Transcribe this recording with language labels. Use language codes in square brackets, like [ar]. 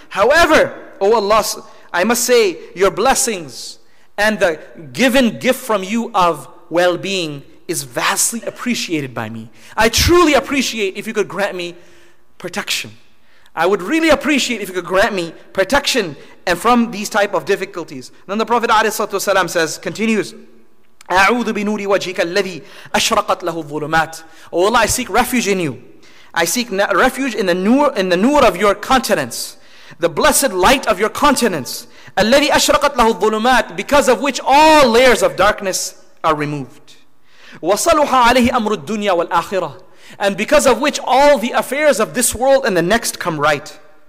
[en] However, O Allah, I must say, your blessings and the given gift from you of well-being is vastly appreciated by me. I truly appreciate if you could grant me protection. I would really appreciate if you could grant me protection and from these type of difficulties. Then the Prophet ﷺ says, continues, [ar] أَعُوذُ بِنُورِ وَجْهِكَ الَّذِي أَشْرَقَتْ لَهُ الظُّلُمَاتِ. [en] Oh Allah, I seek refuge in you. I seek refuge in the nur, of your countenance, the blessed light of your countenance, [ar] الَّذِي أَشْرَقَتْ لَهُ الظُّلُمَاتِ, [en] because of which all layers of darkness are removed. [ar] وَصَلُحَ عَلَيْهِ أَمْرُ الدُّنْيَا وَالْآخِرَةِ, [en] and because of which all the affairs of this world and the next come right.